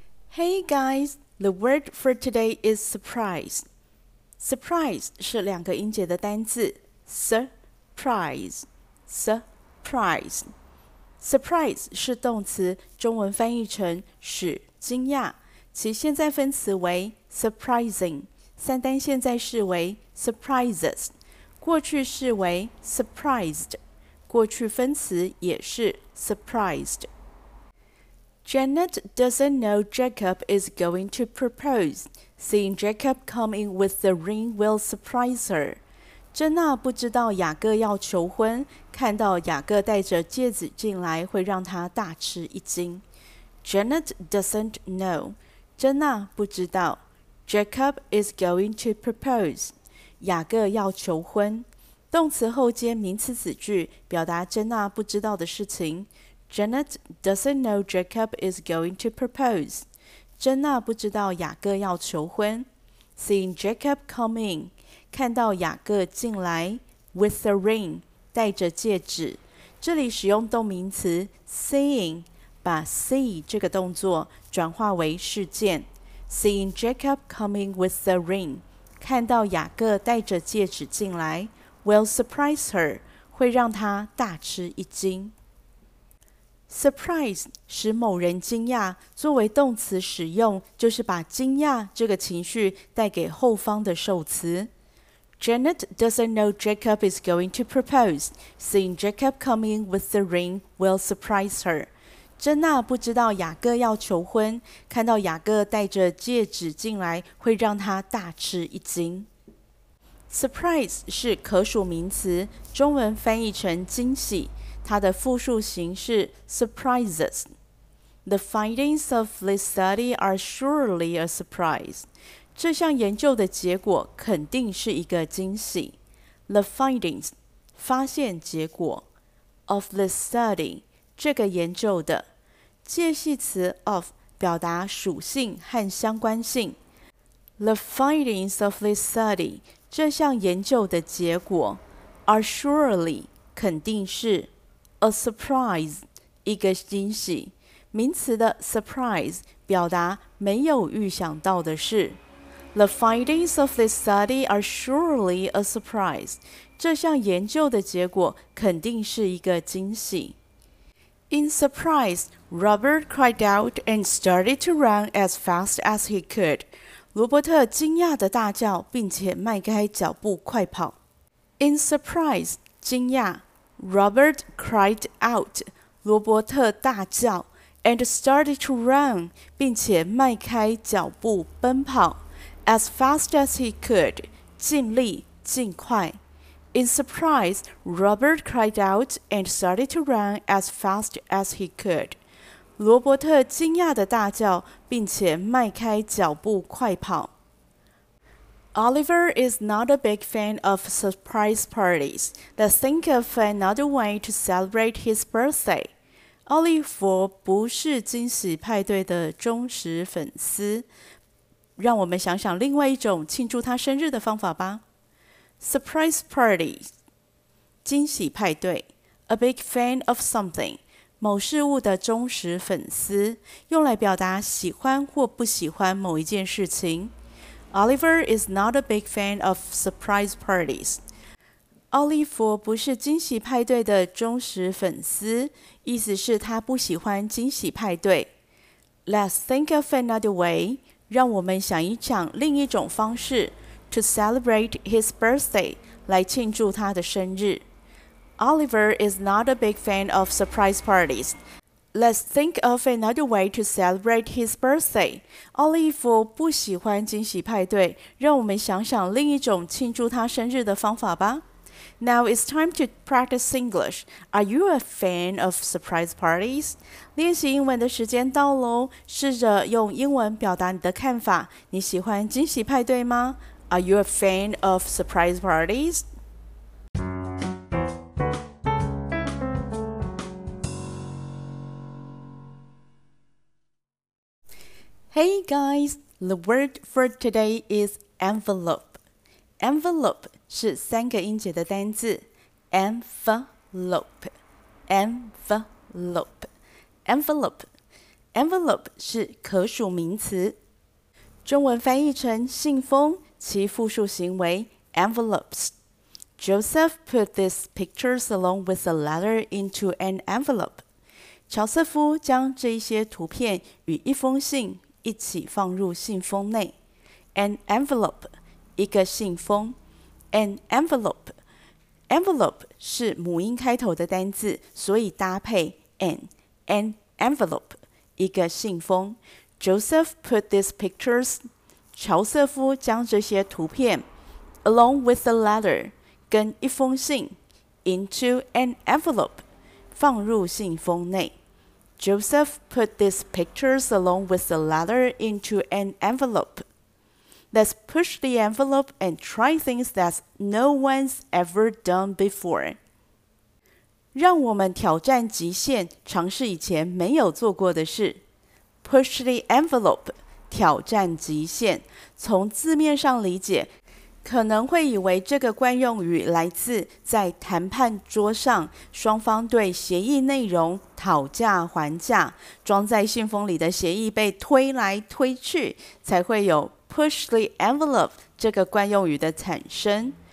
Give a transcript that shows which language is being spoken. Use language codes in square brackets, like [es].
[en] Hey guys, the word for today is surprise. [zh] Surprise 是两个音节的单字 surprise, surprise. Surprise 是动词，中文翻译成使惊讶，其现在分词为 surprising, 三单现在式为 surprises, 过去式为 surprised, 过去分词也是 surprised. [en] Janet doesn't know Jacob is going to propose. Seeing Jacob coming with the ring will surprise her. [zh] 珍娜不知道雅各要求婚，看到雅各带着戒指进来会让她大吃一惊。 [en] Janet doesn't know. [zh] 珍娜不知道。 [en] Jacob is going to propose. [zh] 雅各要求婚。动词后接名词子句，表达珍娜不知道的事情。 [en] Janet doesn't know Jacob is going to propose. [zh] 珍娜不知道雅各要求婚。 [en] Seeing Jacob coming, [zh] 看到雅各进来。 [en] With the ring, [zh] 带着戒指。这里使用动名词 seeing, 把 see 这个动作转化为事件。 [en] Seeing Jacob coming with the ring, [zh] 看到雅各带着戒指进来。 [en] Will surprise her, [zh] 会让她大吃一惊。 Surprise 使某人惊讶，作为动词使用，就是把惊讶这个情绪带给后方的受词。 [en] Janet doesn't know Jacob is going to propose. Seeing Jacob coming with the ring will surprise her. [zh] 珍娜不知道雅各要求婚，看到雅各带着戒指进来，会让她大吃一惊。 Surprise 是可数名词，中文翻译成惊喜。它的复数形式 surprises. [en] The findings of this study are surely a surprise. [zh] 这项研究的结果肯定是一个惊喜。 [en] The findings, [zh] 发现结果 [en] of this study, [zh] 这个研究的介系词 of 表达属性和相关性。 [en] The findings of this study, [zh] 这项研究的结果 [en] are surely, [zh] 肯定是 [en] A surprise, [zh] 一个惊喜。名词的 surprise 表达没有预想到的事。 [en] The findings of this study are surely a surprise. [zh] 这项研究的结果肯定是一个惊喜。 [en] In surprise, Robert cried out and started to run as fast as he could. [zh] 罗伯特惊讶地大叫，并且迈开脚步快跑。 [en] In surprise, [zh] 惊讶。 [en] Robert cried out, [zh] 罗伯特大叫 [en] and started to run, [zh] 并且迈开脚步奔跑 [en] as fast as he could, [zh] 尽力尽快 [en] In surprise, Robert cried out and started to run as fast as he could. [zh] 罗伯特惊讶地大叫并且迈开脚步快跑 [en] Oliver is not a big fan of surprise parties. Let's think of another way to celebrate his birthday. [zh] 奥利弗不是惊喜派对的忠实粉丝。让我们想想另外一种庆祝他生日的方法吧。 [en] Surprise party. [zh] 惊喜派对。 [en] A big fan of something. [zh] 某事物的忠实粉丝。用来表达喜欢或不喜欢某一件事情。 [en] Oliver is not a big fan of surprise parties. [zh] 奥利弗不是惊喜派对的忠实粉丝，意思是他不喜欢惊喜派对。 [en] Let's think of another way. [zh] 让我们想一想另一种方式 [en] to celebrate his birthday, [zh] 来庆祝他的生日。 [en] Oliver is not a big fan of surprise parties. Let's think of another way to celebrate his birthday. [zh] 奥利弗不喜欢惊喜派对，让我们想想另一种庆祝他生日的方法吧。 [en] Now it's time to practice English. Are you a fan of surprise parties? [zh] 练习英文的时间到咯，试着用英文表达你的看法。你喜欢惊喜派对吗？ [en] Are you a fan of surprise parties? Hey guys, the word for today is envelope. [zh] Envelope 是三个音节的单字。 [en] Envelope. Envelope. Envelope. [zh] Envelope 是可数名词，中文翻译成信封，其复数形为 envelopes。 [en] Joseph put these pictures along with a letter into an envelope. [zh] 乔瑟夫将这些图片与一封信一起放入信封内。 [en] An envelope, [zh] 一个信封。 An envelope, envelope 是母音开头的单字，所以搭配 [en] an envelope, [zh] 一个信封。 [en] Joseph put these pictures, [zh] 乔瑟夫将这些图片 [en] along with the letter, [zh] 跟一封信 [en] into an envelope [zh] 放入信封内。 [en] Joseph put these pictures along with the letter into an envelope. Let's push the envelope and try things that no one's ever done before. [zh] 让我们挑战极限，尝试以前没有做过的事。 Push the envelope 挑战极限，从字面上理解可能会以为这个惯用语来自在谈判桌上双方对协议内容讨价还价，装在信封里的协议被推来推去，才会有 push the envelope 这个惯用语的产生。